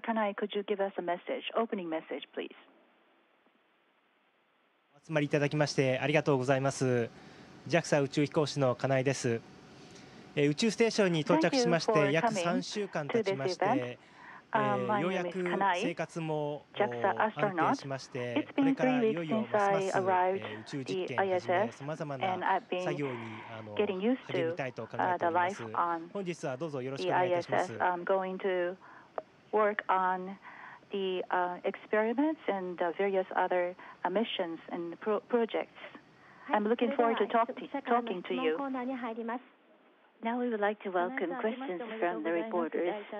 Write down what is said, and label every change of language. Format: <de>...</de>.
<en>Kanai, could you give us a message, opening message, please?</en> <ja>お集まりいただきましてありがとうございます。JAXA 宇宙飛行士の金井です。宇宙ステーションに到着しまして約3週間経ちまして、ようやく生活も安定しまして、これからいよいよますます宇宙実験をはじめ様々な作業に励みたいと考えております。本日はどうぞよろしくお願いいたします。</ja> <en>The experiments and various other missions and projects. I'm looking forward to talking to you. Now we would like to welcome questions from the reporters.</en>